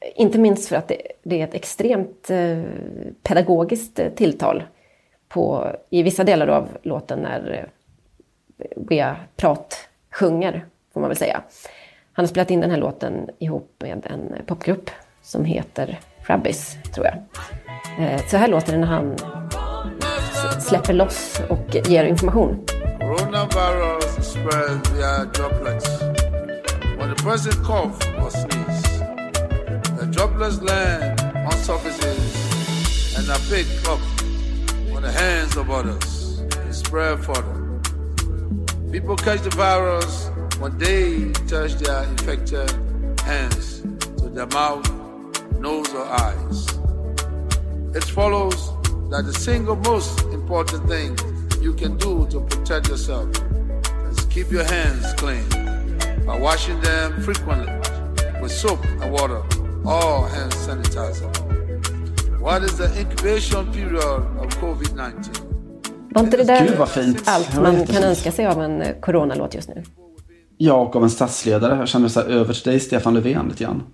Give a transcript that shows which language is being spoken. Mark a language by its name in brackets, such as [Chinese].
[Swedish] Inte minst för att det är ett extremt pedagogiskt tilltal i vissa delar av låten när Bea Prat sjunger, får man väl säga. Han har spelat in den här låten ihop med en popgrupp som heter Rabbis, tror jag. Så här låter den när han släpper loss och ger information. [English] Coronavirus spreads via droplets. When the person cough or sneeze, the droplets land on surfaces and are picked up on the hands of others and spread further. People catch the virus when they touch their infected hands to their mouth, nose or eyes. It follows that the single most important thing you can do to protect yourself is keep your hands clean by washing them frequently with soap and water or hand sanitizer. What is the incubation period of COVID-19? [Swedish] Var inte det där Gud, vad fint. Allt man kan önska sig av en coronalåt just nu? Ja, och av en statsledare. Jag känner så här, över till dig, Stefan Löfven, lite grann.